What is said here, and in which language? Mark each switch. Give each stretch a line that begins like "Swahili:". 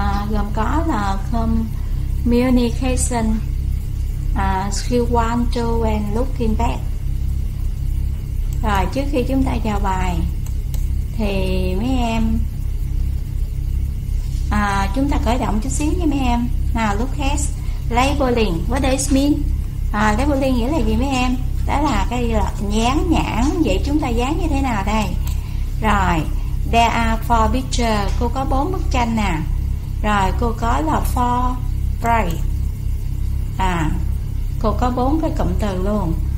Vietnamese: Gồm có là
English: communication, skill 1, 2 and looking back.
Vietnamese: Rồi trước khi chúng ta vào bài thì mấy em chúng ta khởi động chút xíu nha mấy em.
English: Nào look at labeling, what does it mean?
Vietnamese: Labeling nghĩa là gì mấy em? Đó là cái là dán nhãn. Vậy chúng ta dán như thế nào đây? Rồi,
English: there are 4 pictures.
Vietnamese: Cô có 4 bức tranh nè. Rồi, cô có là 4 phrase. Cô có 4 cái cụm từ luôn.